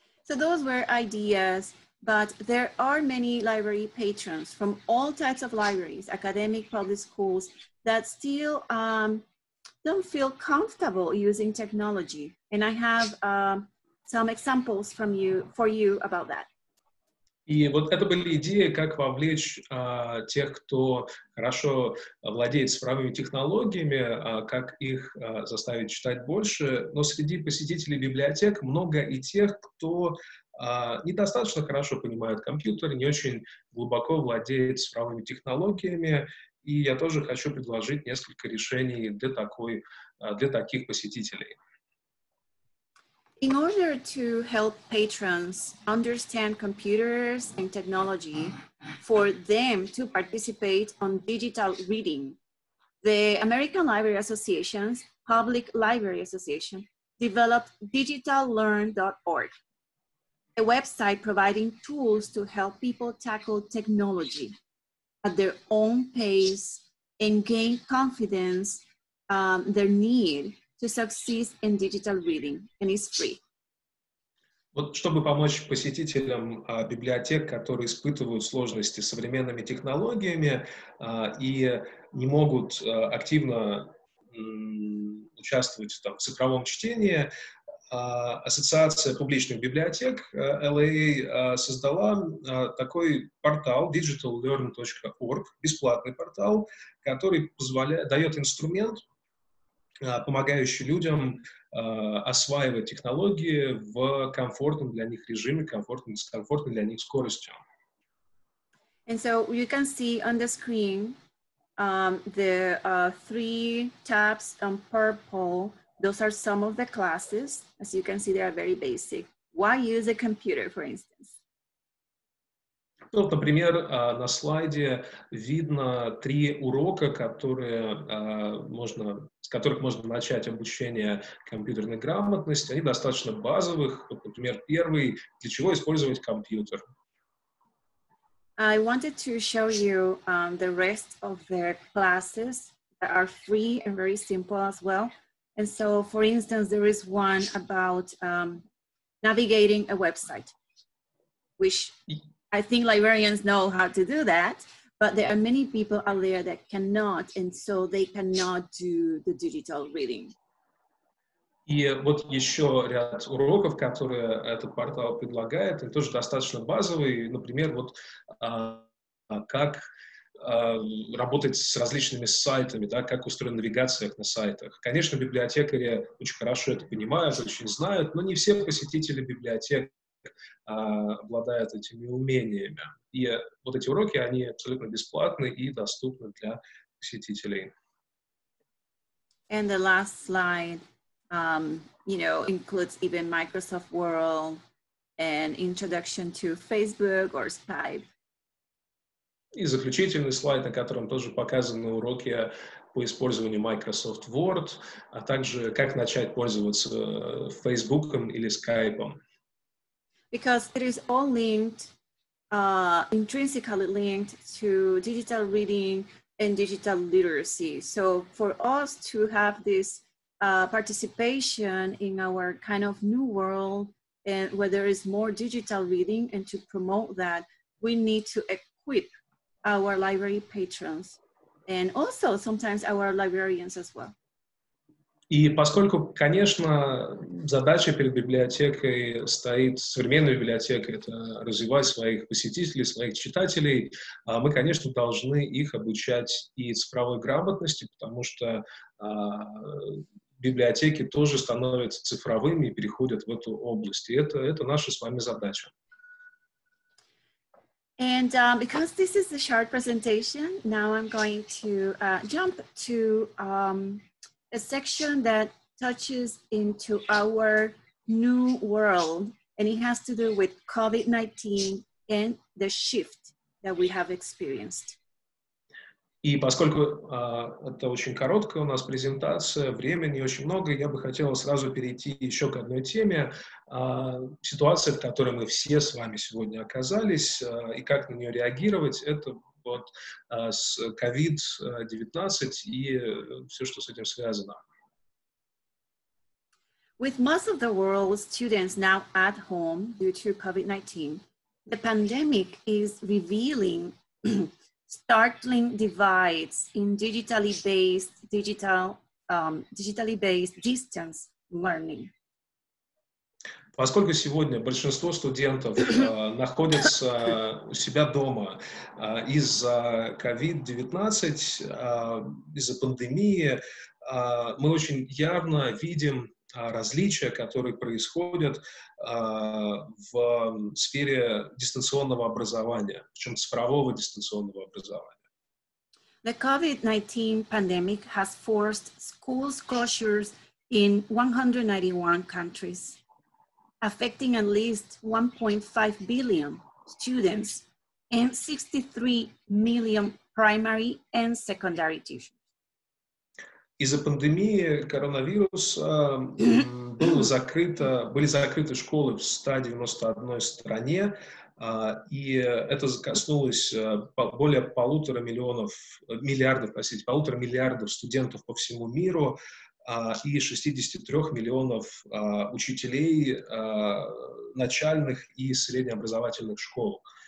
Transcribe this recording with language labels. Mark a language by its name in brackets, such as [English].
[English] So those were ideas, but there are many library patrons from all types of libraries, academic, public schools, that still don't feel comfortable using technology. And I have some examples from you for you about that. [Russian] И вот это были идеи, как вовлечь тех, кто хорошо владеет цифровыми технологиями, как их заставить читать больше. Но среди посетителей библиотек много и тех, кто недостаточно хорошо понимает компьютер, не очень глубоко владеет цифровыми технологиями. И я тоже хочу предложить несколько решений для таких посетителей. [English] In order to help patrons understand computers and technology for them to participate on digital reading, the American Library Association's Public Library Association developed digitallearn.org, a website providing tools to help people tackle technology at their own pace and gain confidence their need to succeed in digital reading, and it's free. [Russian] Вот чтобы помочь посетителям библиотек, которые испытывают сложности с современными технологиями и не могут активно участвовать там, в цифровом чтении, Ассоциация публичных библиотек LA создала такой портал digitallearn.org, бесплатный портал, который дает инструмент, помогающий людям осваивать технологии в комфортном для них режиме, с комфортной для них скоростью. [English] And so you can see on the screen the three tabs on purple. Those are some of the classes. As you can see, they are very basic. Why use a computer, for instance? [Russian] Ну, вот, например, на слайде видно три урока, с которых можно начать обучение компьютерной грамотности. Они достаточно базовых. Вот, например, первый — для чего использовать компьютер? [English] I wanted to show you the rest of the classes that are free and very simple as well. And so, for instance, there is one about navigating a website, which I think librarians know how to do that, but there are many people out there that cannot, and so they cannot do the digital reading. [Russian] И вот еще ряд уроков, которые этот портал предлагает, они тоже достаточно базовые. Например, вот как работать с различными сайтами, да, как устроена навигация на сайтах. Конечно, библиотекари очень хорошо это понимают, очень знают, но не все посетители библиотек обладают этими умениями. И вот эти уроки, они абсолютно бесплатны и доступны для посетителей. [English] And the last slide, you know, includes even Microsoft World and introduction to Facebook or Skype. [Russian] И заключительный слайд, на котором тоже показаны уроки по использованию Microsoft Word, а также как начать пользоваться Facebook'ом или Skype'ом. [English] Because it is all linked, intrinsically linked to digital reading and digital literacy. So for us to have this participation in our kind of new world, and where there is more digital reading, and to promote that, we need to equip our library patrons, and also sometimes our librarians as well. [Russian] И поскольку, конечно, задача перед библиотекой стоит, современная библиотека, это развивать своих посетителей, своих читателей, мы, конечно, должны их обучать и цифровой грамотности, потому что библиотеки тоже становятся цифровыми и переходят в эту область. И это наша с вами задача. [English] And because this is a short presentation, now I'm going to jump to a section that touches into our new world, and it has to do with COVID-19 and the shift that we have experienced. [Russian] И поскольку это очень короткая у нас презентация, времени очень много, я бы хотел сразу перейти еще к одной теме. Ситуация, в которой мы все с вами сегодня оказались, и как на нее реагировать, это вот с COVID-19 и все, что с этим связано. [English] With most of the world students now at home due to COVID-19, the pandemic is revealing startling divides in digitally based distance learning. [Russian] Поскольку сегодня большинство студентов находятся у себя дома из-за COVID-19, из-за пандемии, мы очень явно видим различия, которые происходят в сфере дистанционного образования, причем цифрового дистанционного образования. [English] The COVID-19 pandemic has forced schools closures in 191 countries, affecting at least 1.5 billion students and 63 million primary and secondary teachers. [Russian] Из-за пандемии коронавируса были закрыты школы в 191 стране, и это коснулось более полутора миллиардов студентов по всему миру и 63 миллионов учителей начальных и среднеобразовательных школ.